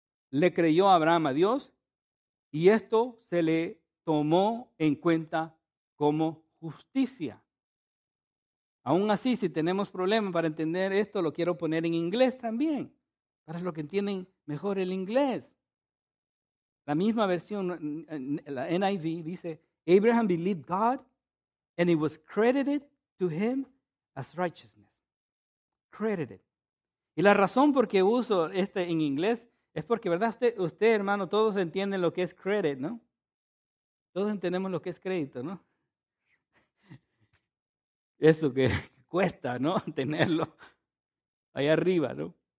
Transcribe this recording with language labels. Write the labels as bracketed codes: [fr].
[es] Le creyó Abraham a Dios. Y esto se le tomó en cuenta como justicia. Aún así, si tenemos problemas para entender esto, lo quiero poner en inglés también, para los que entienden mejor el inglés. La misma versión, la NIV, dice, [en] Abraham believed God and it was credited to him as righteousness. Credited. [es] Y la razón por qué uso este en inglés es porque, ¿verdad? Usted, hermano, todos entienden lo que es credit, ¿no? Todos entendemos lo que es crédito, ¿no? Eso que cuesta, ¿no? Tenerlo ahí arriba, ¿no?